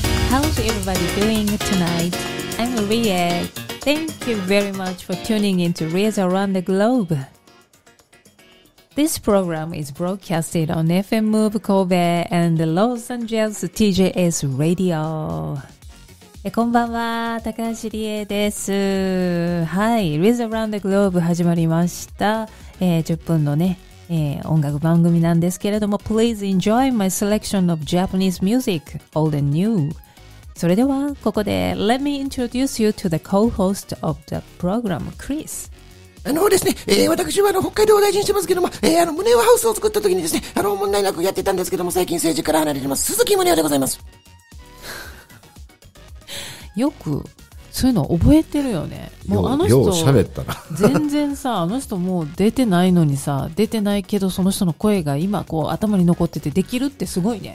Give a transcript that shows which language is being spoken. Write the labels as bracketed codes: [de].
[en] How's everybody doing tonight? I'm Ria. Thank you very much for tuning in to Ria's Around the Globe. This program is broadcasted on FM Move Kobe and Los Angeles TJS Radio. [ja] こんばんは、高橋理恵です。はい、Ria's Around the Globe 始まりました。 10分のね、音楽番組なんですけれども、 [en] Please enjoy my selection of Japanese music, old and new. [ja] それではここで [en] Let me introduce you to the co-host of the program, Chris. [ja] あのですね、私は北海道を大事にしてますけども、宗男ハウスを作った時にですね、問題なくやってたんですけども、最近政治から離れてます鈴木宗男でございます。よくそういうの覚えてるよね。もうあの人よう喋ったな。全然さ、あの人もう出てないのにさ、出てないけどその人の声が今こう頭に残っててできるってすごいね、